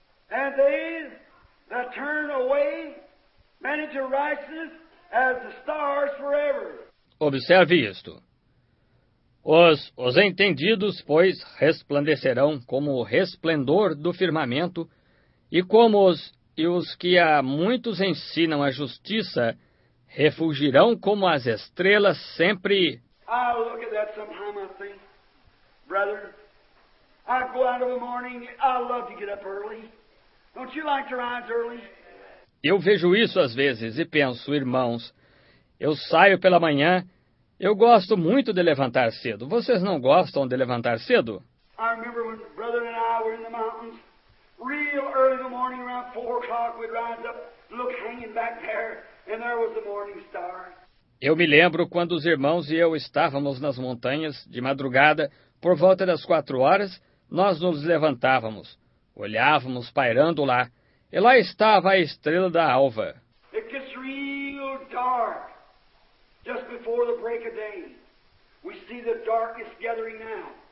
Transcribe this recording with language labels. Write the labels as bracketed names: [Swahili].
[English] And they that turn away many to righteousness as the stars forever. [Portuguese] Observe isto. Os entendidos, pois, resplandecerão como o resplendor do firmamento, e como os que a muitos ensinam a justiça, refulgirão como as estrelas sempre. [English] I'll look at that sometime, I think. Brother, I go out in the morning, I love to get up early. Don't you like to rise early? [Portuguese] Eu vejo isso às vezes e penso, irmãos, eu saio pela manhã, eu gosto muito de levantar cedo. Vocês não gostam de levantar cedo? [English] I remember when brother and I were in the mountains. Real early in the morning, around 4 o'clock, we'd rise up, look hanging back there, and there was the morning star. [Portuguese] Eu me lembro quando os irmãos e eu estávamos nas montanhas, de madrugada, por volta das 4 horas, nós nos levantávamos, olhávamos pairando lá, e lá estava a estrela da alva. [English] It gets real dark, just before the break of day. We see the darkness gathering now.